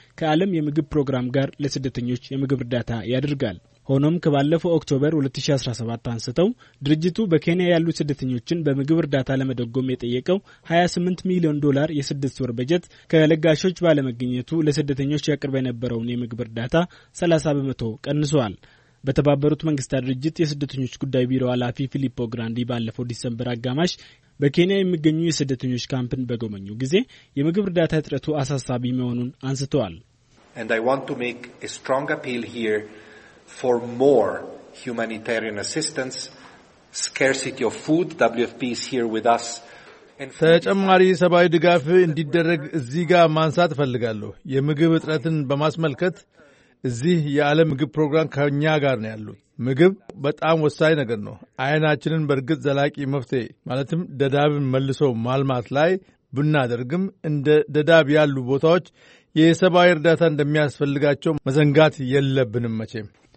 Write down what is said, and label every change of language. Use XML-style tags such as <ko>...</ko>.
<am>ከዓለም የምግብ ፕሮግራም ጋር ለስደተኞች የምግብ እርዳታ ያደርጋል። ሆኖም ከባለፈው ኦክቶበር 2017 አንስተው ድርጅቱ በኬንያ ያሉ ስደተኞችን በምግብ እርዳታ ለመደጎም የጠየቀው 28 ሚሊዮን ዶላር የስድስት ወር በጀት ከለጋሾች ባለመገኘቱ ለስደተኞች ያቀርበ የነበረውን የምግብ እርዳታ 30% ቀንሷል። በተባበሩት መንግስታት ድርጅት የስደተኞች ጉዳይ ቢሮ ኃላፊ ፊሊፖ ግራንዲ ባለፈው ዲሰምበር አጋማሽ በኬንያ የሚገኙ የስደተኞች ካምፕን በጎበኙ ጊዜ የምግብ እርዳታ እጥረቱ አሳሳቢ መሆኑን አንስተዋል።</am> <en>And I want to make a strong appeal here for more humanitarian assistance. Scarcity of food, WFP is here with us.</en> <am>ተጨማሪ ሰብአዊ ድጋፍ እንዲደረግ እዚህ ጋር ማንሳት እፈልጋለሁ። የምግብ እጥረትን በማስመልከት እዚህ የዓለም ምግብ ፕሮግራም ከኛ ጋር ነው ያሉት። ምግብ በጣም ወሳኝ ነገር ነው። አይናችንን በእርግጥ ዘላቂ መፍትሄ ማለትም ደዳብን መልሶ ማልማት ላይ ብናደርግም እንደ ደዳብ ያሉ ቦታዎች የሰብአዊ እርዳታ እንደሚያስፈልጋቸው መዘንጋት የለብንም መቼም።</am>